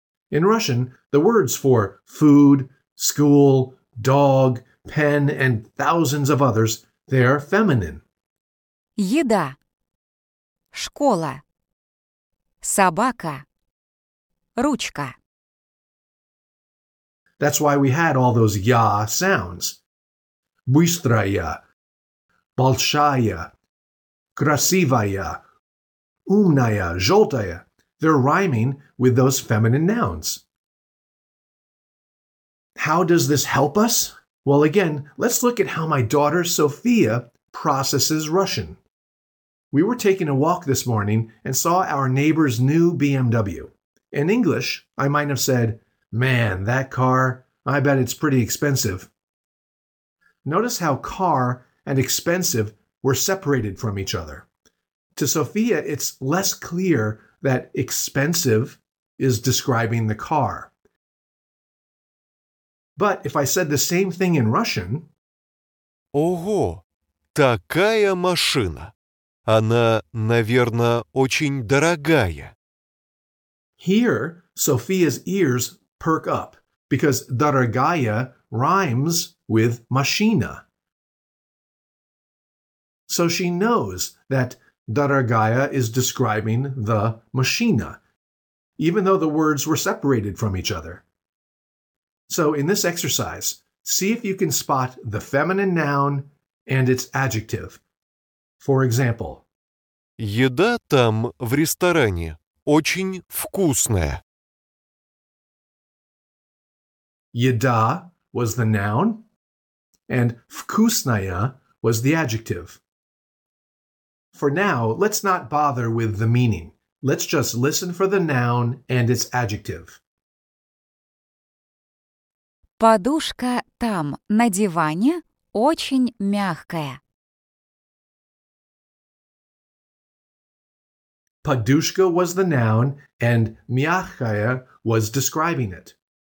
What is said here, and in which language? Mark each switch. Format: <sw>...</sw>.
<en>In Russian, the words for food, school, dog, pen, and thousands of others, they are feminine.</en> <ru>Еда, школа, собака, ручка.</ru> <en>That's why we had all those ya sounds.</en> <ru>Быстрая, большая, красивая, умная, желтая.</ru> <en>They're rhyming with those feminine nouns. How does this help us? Well, again, let's look at how my daughter Sophia processes Russian. We were taking a walk this morning and saw our neighbor's new BMW. In English, I might have said, "Man, that car, I bet it's pretty expensive." Notice how car and expensive were separated from each other. To Sophia, it's less clear that expensive is describing the car. But if I said the same thing in Russian,</en> <ru>"Ого, такая машина. Она, наверное, очень дорогая."</ru> <en>Here, Sophia's ears perk up because дорогая rhymes with машина. So she knows that дорогая is describing the машина, even though the words were separated from each other. So in this exercise, see if you can spot the feminine noun and its adjective. For example,</en> <ru>еда там в ресторане очень вкусная.</ru> <en>Еда was the noun, and вкусная was the adjective. For now, let's not bother with the meaning. Let's just listen for the noun and its adjective.</en> <ru>Подушка там, на диване, очень мягкая.</ru> <en>Подушка was the noun, and мягкая was describing it.</en>